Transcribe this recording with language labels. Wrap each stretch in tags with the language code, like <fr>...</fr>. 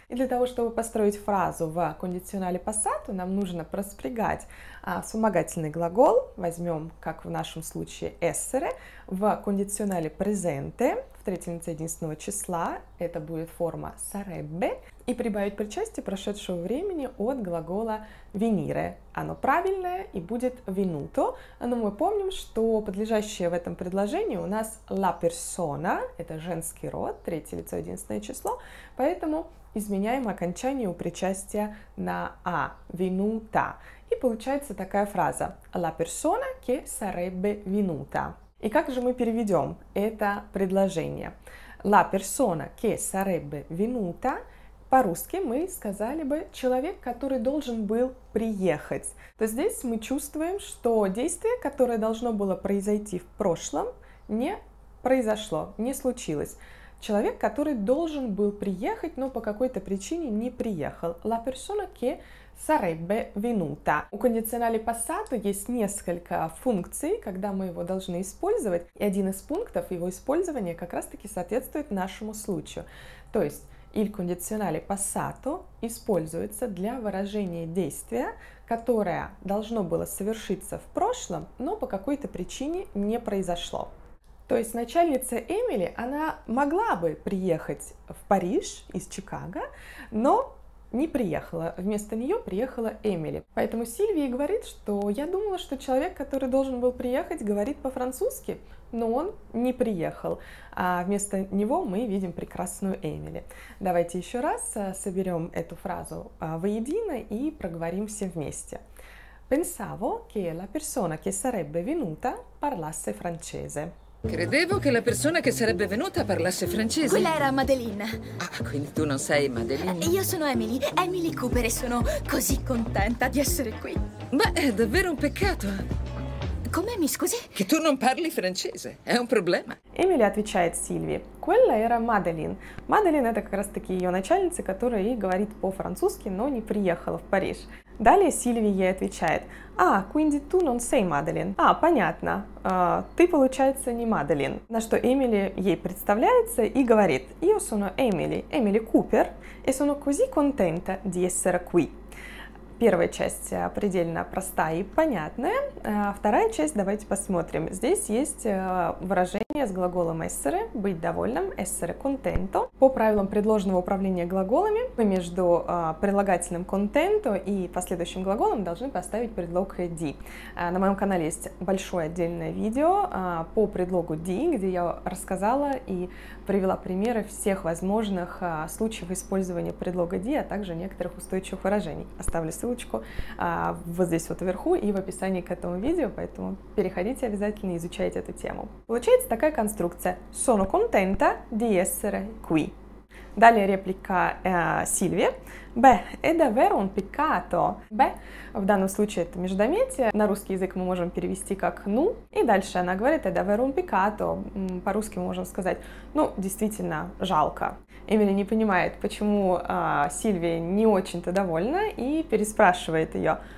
<ru>И для того, чтобы построить фразу в condizionale passato, нам нужно проспрягать вспомогательный глагол, возьмем, как в нашем случае, essere, в condizionale presente, в третьем лице единственного числа, это будет форма sarebbe, и прибавить причастие прошедшего времени от глагола venire. Оно правильное и будет venuto. Но мы помним, что подлежащее в этом предложении у нас la persona, это женский род, третье лицо, единственное число, поэтому изменяем окончание у причастия на a, venuta. И получается такая фраза</ru> <it>la persona che sarebbe venuta.</it> <ru>И как же мы переведем это предложение?</ru> <it>La persona che sarebbe venuta.</it> <ru>По-русски мы сказали бы «человек, который должен был приехать». То есть здесь мы чувствуем, что действие, которое должно было произойти в прошлом, не произошло, не случилось. Человек, который должен был приехать, но по какой-то причине не приехал.</ru> <it>La persona che sarebbe venuta.</it> <ru>У condizionale passato есть несколько функций, когда мы его должны использовать. И один из пунктов его использования как раз-таки соответствует нашему случаю. То есть il condizionale passato используется для выражения действия, которое должно было совершиться в прошлом, но по какой-то причине не произошло. То есть начальница Эмили, она могла бы приехать в Париж из Чикаго, но не приехала. Вместо нее приехала Эмили. Поэтому Сильвии говорит, что я думала, что человек, который должен был приехать, говорит по-французски, но он не приехал. А вместо него мы видим прекрасную Эмили. Давайте еще раз соберем эту фразу воедино и проговорим все вместе.</ru> <it>Pensavo che la persona che sarebbe venuta parlasse francese. Credevo che la persona che sarebbe venuta parlasse francese. Quella era Madeline. Ah, quindi tu non sei Madeline? Io sono Emily, Emily Cooper, e sono così contenta di essere qui. Beh, è davvero un peccato. Come, mi scusi? Che tu non parli francese, è un problema.</it> <ru>Emily отвечает Сильви.</ru> <it>Quella era Madeline.</it> <ru>Madeline — это как раз таки ее начальница, которая ей говорит по-французски, но не приехала в Париж. Далее Сильви ей отвечает.</ru> <it>А, quindi tu non sei Madeline.</it> <ru>А, понятно. Ты, получается, не Madeline. На что Эмили ей представляется и говорит.</ru> <it>Io sono Emily, Emily Cooper, e sono così contenta di essere qui.</it> <ru>Первая часть предельно простая и понятная. Вторая часть давайте посмотрим. Здесь есть выражение с глаголом essere, быть довольным, essere contento. По правилам предложного управления глаголами мы между прилагательным contento и последующим глаголом должны поставить предлог di. На моем канале есть большое отдельное видео по предлогу di, где я рассказала и привела примеры всех возможных случаев использования предлога di, а также некоторых устойчивых выражений. Оставлю ссылочку вот здесь вот вверху и в описании к этому видео, поэтому переходите обязательно и изучайте эту тему. Получается такая конструкция.</ru> <it>Sono contenta di essere qui.</it> <ru>Далее реплика Сильви.</ru> <it>Beh, è davvero un peccato.</it> <ru>Beh, в данном случае это междометие. На русский язык мы можем перевести как ну. И дальше она говорит</ru> <it>è davvero un peccato.</it> <ru>По-русски мы можем сказать, ну, действительно, жалко. Эмили не понимает, почему Сильвия не очень-то довольна и переспрашивает ее.</ru>